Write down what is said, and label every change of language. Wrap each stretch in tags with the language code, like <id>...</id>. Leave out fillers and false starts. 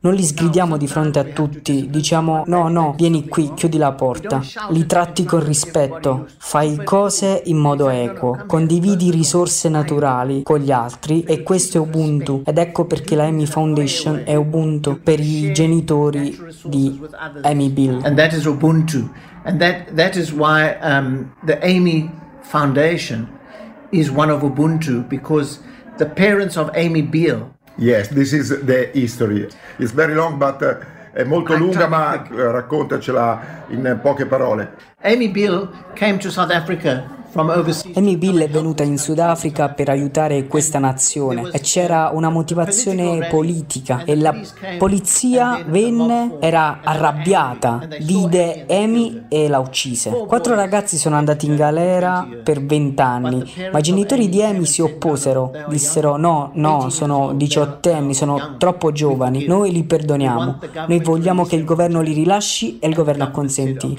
<it>Non li sgridiamo di fronte a tutti, diciamo no, vieni qui, chiudi la porta. Li tratti con rispetto, fai cose in modo equo, condividi di risorse naturali con gli altri, e questo è Ubuntu. Ed ecco perché la AMI Foundation è Ubuntu per i genitori di AMI Bill.</it> <en>And that is Ubuntu. And that is why the AMI Foundation is one of Ubuntu, because the parents of AMI Bill. Yes, this is the history.</en> <it>It's very long, but è molto lunga, ma raccontacela in poche parole.</it> <en>AMI Bill came to South Africa</en> <it>Amy Bill è venuta in Sudafrica per aiutare questa nazione e c'era una motivazione politica e la polizia venne, era arrabbiata, vide Amy e la uccise. Quattro ragazzi sono andati in galera per 20 anni, ma i genitori di Amy si opposero, dissero no, sono 18 anni, sono troppo giovani, noi li perdoniamo, noi vogliamo che il governo li rilasci e il governo acconsenti.</it>